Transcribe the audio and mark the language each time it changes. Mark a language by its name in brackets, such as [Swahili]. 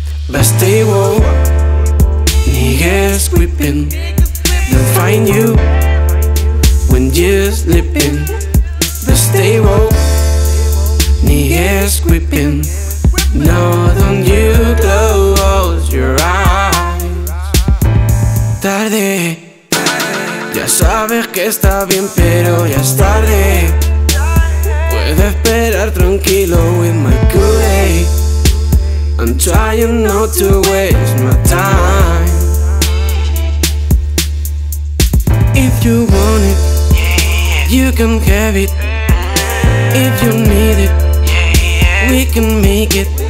[English] Bastigo, niggas creeping, they'll find you when you're sleeping. The stable, niggas creeping. No, don't you close your eyes. [Spanish] Tarde, ya sabes que está bien, pero ya es tarde. Puedo esperar tranquilo with my Kool-Aid. [English] I'm trying not to waste my time. If you want it, you can have it. If you need it, we can make it.